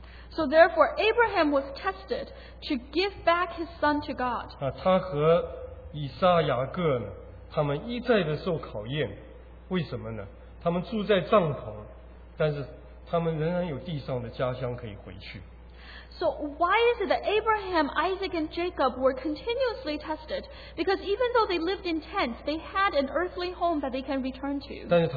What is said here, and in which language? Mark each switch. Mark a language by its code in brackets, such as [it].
[en] so therefore, Abraham was tested to give back his son to God. [zh] 他和以撒雅各呢,他们一再的受考验,为什么呢?他们住在帐篷,但是他们仍然有地上的家乡可以回去。 [en] So why is it that Abraham, Isaac, and Jacob were continuously tested? Because even though they lived in tents, they had an earthly home that they can return to.